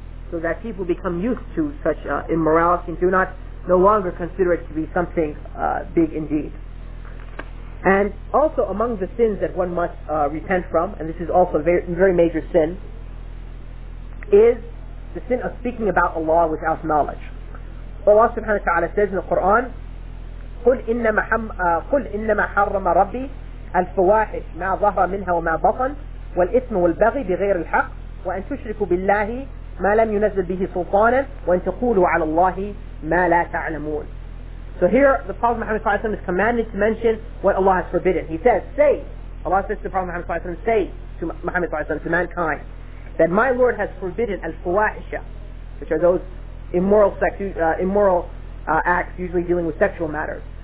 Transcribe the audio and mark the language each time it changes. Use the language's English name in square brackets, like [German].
[English] So that people become used to such immorality and do not no longer consider it to be something big indeed. And also among the sins that one must repent from, and this is also a very, very major sin, is the sin of speaking about Allah without knowledge. Allah subhanahu wa ta'ala says in the Quran, [Arabic] قُلْ إِنَّمَا حَرَّمَ رَبِّي الْفَوَاحِشْ مَا ظَهْرَ مِنْهَا وَمَا بَطَنْ وَالْإِثْمُ وَالْبَغِي بِغَيْرِ الْحَقِّ وَأَنْ تُشْرِكُوا بِاللَّهِ مَا لَمْ يُنَزَّلْ بِهِ سُلْطَانًا وَأَنْ تَقُولُوا عَلَى اللَّهِ مَا لَا تَعْلَمُونَ. [English] So here the Prophet Muhammad Sallallahu Alaihi Wasallam is commanded to mention what Allah has forbidden. He says, say, Allah says to the Prophet Muhammad Sallallahu Alaihi Wasallam, say to Muhammad Sallallahu Alaihi Wasallam, to mankind, that my Lord has forbidden al-fawahisha, which are those immoral sex, acts, usually dealing with sexual matters.